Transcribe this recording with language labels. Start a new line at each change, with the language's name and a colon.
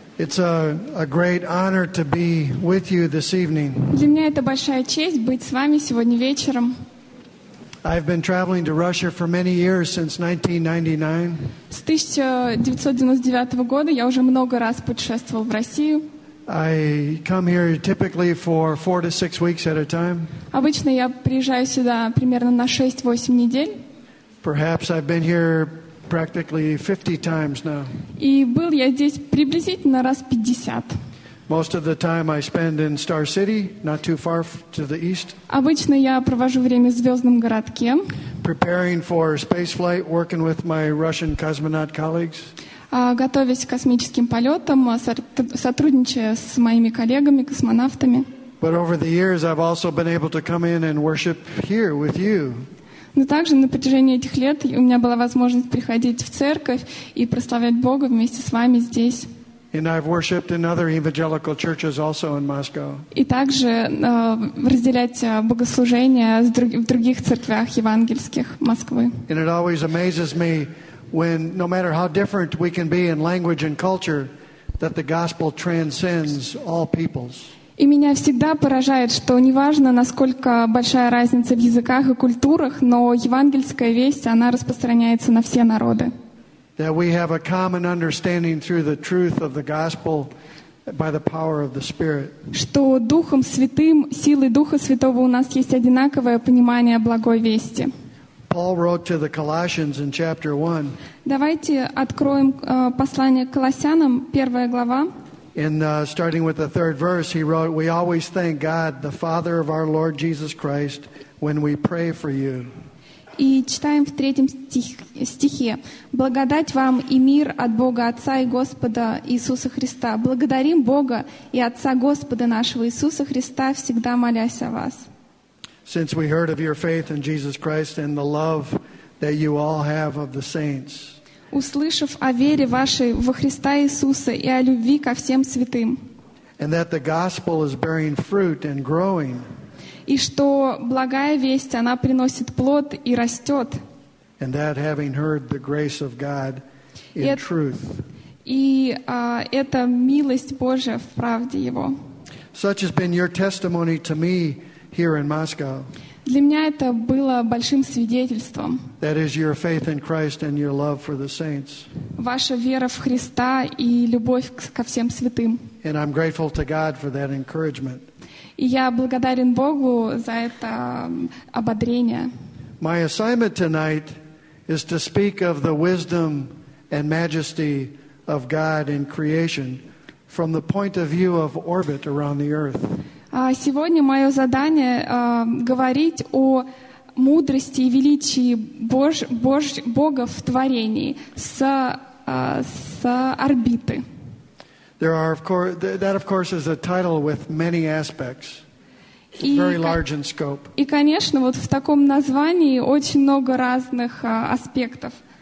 English: It's a great honor to be with you this evening.
Russian: Для меня это большая честь быть с вами сегодня вечером.
English: I've been traveling to Russia for many years since 1999.
Russian: С 1999 года я уже много раз путешествовал в Россию.
English: I come here typically for 4 to 6 weeks at a time.
Russian: Обычно я приезжаю сюда примерно на 6-8 недель.
English: Perhaps I've been here practically 50 times now.
Russian: И был я здесь приблизительно раз 50.
English: Most of the time I spend in Star City, not too far to the east.
Russian: Обычно я провожу время в Звездном городке.
English: Preparing for space flight, working with my Russian cosmonaut colleagues.
Russian: Готовясь к космическим полетам, сотрудничая с моими коллегами-космонавтами.
English: But over the years I've also been able to come in and worship here with you.
Russian: Но также на протяжении этих лет у меня была возможность приходить в церковь и прославлять Бога вместе с вами здесь.
English: And I've worshipped in other evangelical churches also in Moscow.
Russian: И также разделять богослужения в других церквях евангельских Москвы.
English: And it always amazes me when, no matter how different we can be in language and culture, that the gospel transcends all peoples.
Russian: И меня всегда поражает, что неважно, насколько большая разница в языках и культурах, но евангельская весть, она распространяется на все народы.
English: That we have a common understanding through the truth of the gospel by the power of the Spirit.
Russian: Что Духом Святым, силой Духа Святого у нас есть одинаковое понимание благой вести.
English: Paul wrote to the Colossians in chapter 1.
Russian: Давайте откроем послание к Колоссянам, первая глава.
English: In starting with the third verse, he wrote, "We always thank God, the Father of our Lord Jesus Christ, when we pray for you."
Russian: И читаем в третьем стихе: «Благодать вам и мир от Бога Отца и Господа Иисуса Христа. Благодарим Бога и Отца Господа нашего Иисуса Христа, всегда молясь о вас».
English: Since we heard of your faith in Jesus Christ and the love that you all have of the saints.
Russian: Услышав о вере вашей во Христа Иисуса и о любви ко всем святым.
English: And that the gospel is bearing fruit and growing.
Russian: И что благая весть, она приносит плод и растет.
English: And that having heard the grace of God in truth.
Russian: И это милость Божия в правде Его.
English: Such has been your testimony to me here in Moscow.
Russian: Для меня это было большим свидетельством.
English: That is your faith in Christ and your love for the saints.
Russian: Ваша вера в Христа и любовь ко всем святым.
English: And I'm grateful to God for that encouragement.
Russian: И я благодарен Богу за это ободрение.
English: My assignment tonight is to speak of the wisdom and majesty of God in creation from the point of view of orbit around the earth.
Russian: Сегодня мое задание говорить о мудрости и величии Бога в творении с орбиты.
English: There are of course, that of course is a title with many aspects. It's very large in scope.
Russian: И конечно, вот в таком названии очень много разных аспектов.